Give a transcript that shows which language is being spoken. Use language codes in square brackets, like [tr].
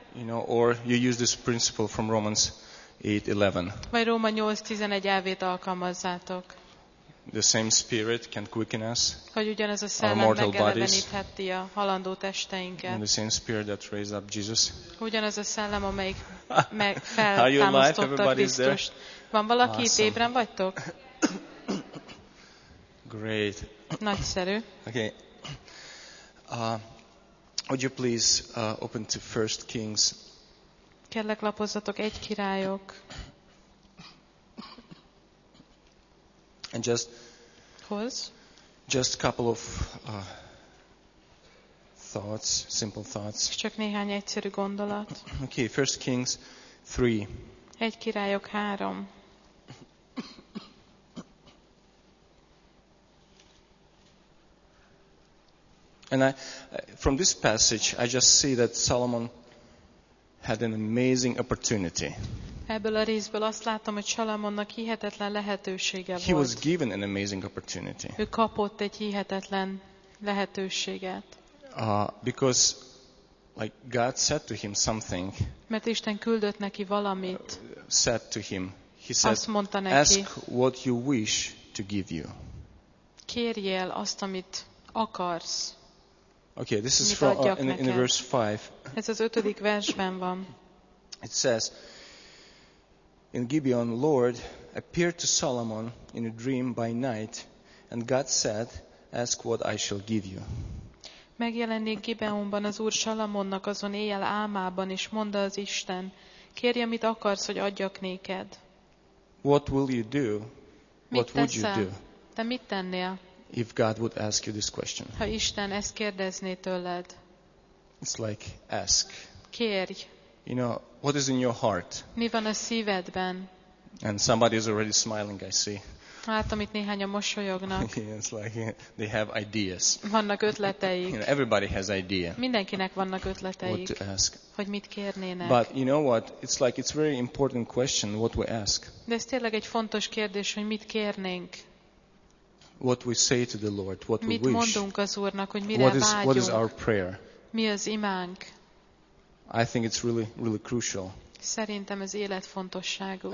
[en] You know, or you use this principle from Romans 8:11. [hu] Vagy Róma 8:11 elvét alkalmazzátok. [en] The same spirit can quicken us. [hu] Hogy ugyanaz a szellem megelevenítheti a halandó testeinket. [en] And the same spirit that raised up Jesus. [hu] Ugyanaz a szellem, amelyik feltámasztotta Krisztust. Van valaki itt, [en] awesome. [hu] Ébren vagytok? [en] Great. [hu] Nagyszerű. [en] Okay. Would you please open to 1 Kings? [hu] Kérlek, lapozzatok 1 Királyok. [en] And just [hu] Hoz? [en] Just a couple of thoughts, simple thoughts. [hu] Csak néhány egyszerű gondolat. [en] Okay, 1 Kings 3. [hu] 1 Királyok 3. [en] And I, from this passage, I just see that Solomon had an amazing opportunity. [hu] Ebből a részből azt látom, hogy Salamonnak hihetetlen lehetősége volt. [en] He was given an amazing opportunity. [hu] Ő kapott egy hihetetlen lehetőséget. [en] Because, like God said to him something. [hu] Mert Isten küldött neki valamit. [en] Said to him, he said, ask what you wish to give you. [hu] Kérjél azt, amit akarsz. [en] Okay, this is from in verse 5. [hu] Ez az ötödik versben van. [en] It says, in Gibeon, Lord appeared to Solomon in a dream by night, and God said, ask what I shall give you. [hu] Megjelenik Gibeonban az Úr Salamonnak azon éjjel álmában, és mondta az Isten, kérj, amit akarsz, hogy adjak néked. [en] What will you do? What would you do? [hu] Te mit tennél? [en] If God would ask you this question. [hu] Ha Isten ezt kérdezné tőled. [en] It's like ask. [hu] Kérj. [en] You know, what is in your heart? [hu] Mi van a szívedben? [en] And somebody is already smiling, I see. [hu] Látom, itt néhányan mosolyognak. [en] It's like they have ideas. [hu] Vannak ötleteik. [en] You know, everybody has idea. [hu] Mindenkinek vannak ötleteik. [en] What to ask. [hu] Hogy mit kérnének. [en] But you know what? It's like it's very important question what we ask. [hu] De ez tényleg egy fontos kérdés, hogy mit kérnénk. [en] What we say to the Lord, what [hu] mit [en] we wish. [hu] Mondunk az Úrnak, hogy mire [en] what is, [hu] vágyunk. [en] What is our prayer? [hu] Mi az imánk? [en] I think it's really, really crucial. [hu] Szerintem ez életfontosságú.